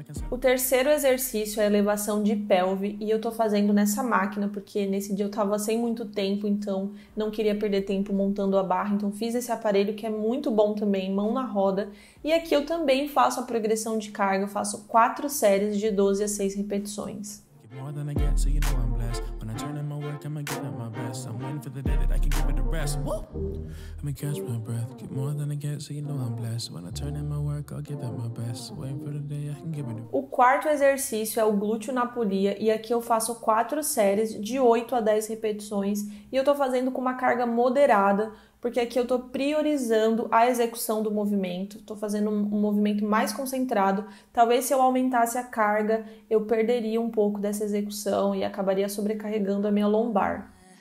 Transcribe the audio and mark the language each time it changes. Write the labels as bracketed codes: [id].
[pt] O terceiro exercício é a elevação de pelve e eu tô fazendo nessa máquina porque nesse dia eu tava sem muito tempo, então não queria perder tempo montando a barra, então fiz esse aparelho que é muito bom também, mão na roda. E aqui eu também faço a progressão de carga, eu faço 4 séries de 12 a 6 repetições. [en] More than I get, so you know I'm blessed. When I turn in my work, I'ma give it my best. I'm waiting for the day that I can give it a rest. Woo! I'ma catch my breath. Get more than I get, so you know I'm blessed. When I turn in my work, I'll give it my best. Waiting for the day I can give it a rest. [pt] O quarto exercício é o glúteo na polia e aqui eu faço 4 séries de 8 a 10 repetições e eu tô fazendo com uma carga moderada, porque aqui eu tô priorizando a execução do movimento, tô fazendo um movimento mais concentrado. Talvez se eu aumentasse a carga, eu perderia um pouco dessa execução e acabaria sobrecarregando a minha lombar.